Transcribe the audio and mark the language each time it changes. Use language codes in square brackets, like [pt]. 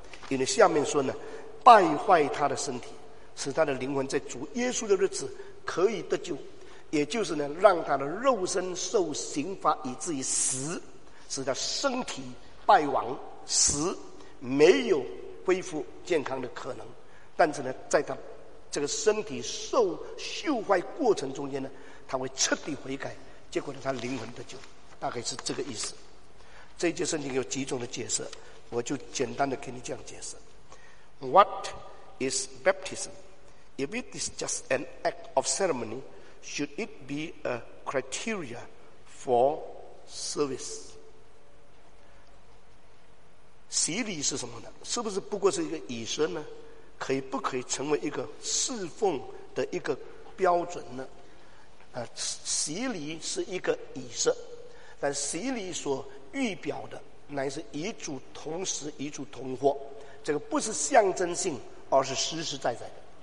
[zh] 因为下面说呢，败坏他的身体，使他的灵魂在主耶稣的日子可以得救，也就是呢，让他的肉身受刑罚以至于死，使他身体败亡死，没有恢复健康的可能。但是呢，在他这个身体受朽坏过程中间呢，他会彻底悔改，结果呢，他灵魂得救，大概是这个意思。这节圣经有几种的解释，我就简单的给你这样解释。 [en] What is baptism? If it is just an act of ceremony, should it be a criteria for service? [zh] 洗礼是什么呢？是不是不过是一个仪式呢？可以不可以成为一个侍奉的一个标准呢？洗礼是一个仪式，但洗礼所预表的乃是与主同时与主同活，这个不是象征性，而是实实在在的。